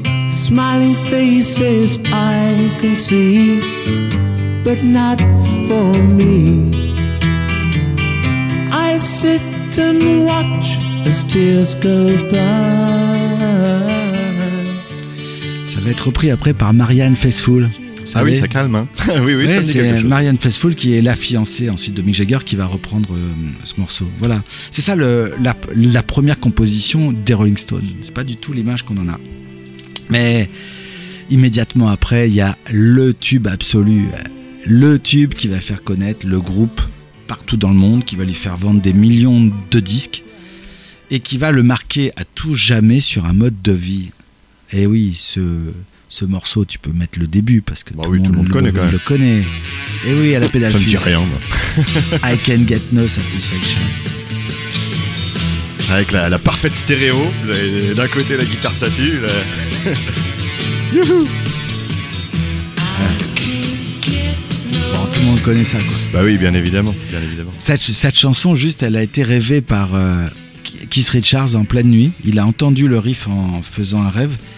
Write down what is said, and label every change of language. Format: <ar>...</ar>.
<en>Smiling faces I can see, but not for me. I sit and watch as tears go by.</en> <fr>Ça va être repris après par Marianne Faithfull. Ah oui, ça calme. Hein. Oui, ouais, ça c'est quelque chose. Marianne Faithfull qui est la fiancée ensuite de Mick Jagger qui va reprendre ce morceau. Voilà, c'est ça la première composition des Rolling Stones. C'est pas du tout l'image qu'on en a. Mais immédiatement après, il y a le tube absolu, le tube qui va faire connaître le groupe partout dans le monde, qui va lui faire vendre des millions de disques. Et qui va le marquer à tout jamais sur un mode de vie. Et oui, ce morceau, tu peux mettre le début parce que tout le monde le connaît. Et oui, à la pédale fine. Ça ne dit rien.</fr> <en>I can get no satisfaction.</en> <fr>Avec la parfaite stéréo, vous avez d'un côté la guitare statue. Youhou! Ouais. Bon, tout le monde connaît ça, quoi. Bah oui, bien évidemment. Bien évidemment. Cette chanson, juste, elle a été rêvée par. Keith Richards en pleine nuit, il a entendu le riff en faisant un rêve.</fr>